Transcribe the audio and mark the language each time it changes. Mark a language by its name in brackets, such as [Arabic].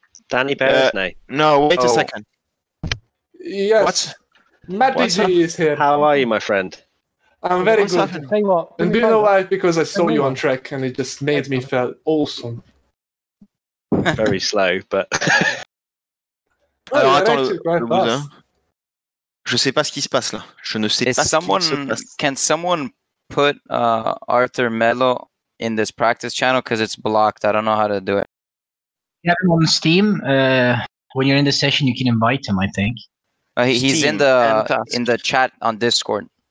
[English] Danny Beresnay. No, wait a second. Yes. What? Matt DG is here. How are you, my friend? I'm very good. Hey, what? And do you know why? Because I saw you on track and it just made me feel awesome. Very slow, but... [French] Alors, attends, le je sais pas ce qui se passe là. Je ne sais pas [English] someone, [French] ce qui se passe. [English] Can someone put Arthur Mello in this practice channel? Because it's blocked. I don't know how to do it. Yeah, on Steam, when you're in the session, you can invite him, I think. He's in the chat on Discord.